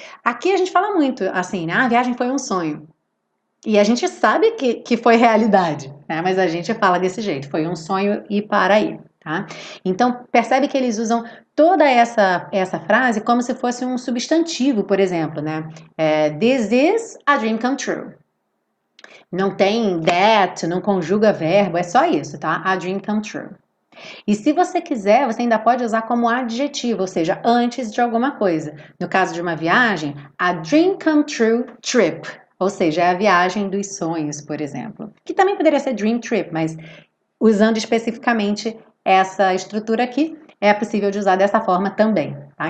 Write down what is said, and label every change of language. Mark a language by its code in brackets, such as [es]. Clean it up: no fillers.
[pt] Aqui a gente fala muito assim, né? A viagem foi um sonho. E a gente sabe que foi realidade, né? Mas a gente fala desse jeito: foi um sonho e para aí, tá? Então, percebe que eles usam toda essa frase como se fosse um substantivo, por exemplo, né? [en] This is a dream come true. [pt] Não tem that, não conjuga verbo, é só isso, tá? [en] A dream come true. [pt] E se você quiser, você ainda pode usar como adjetivo, ou seja, antes de alguma coisa. No caso de uma viagem, [en] a dream come true trip. [pt] Ou seja, é a viagem dos sonhos, por exemplo. Que também poderia ser dream trip, mas usando especificamente essa estrutura aqui, é possível de usar dessa forma também, tá?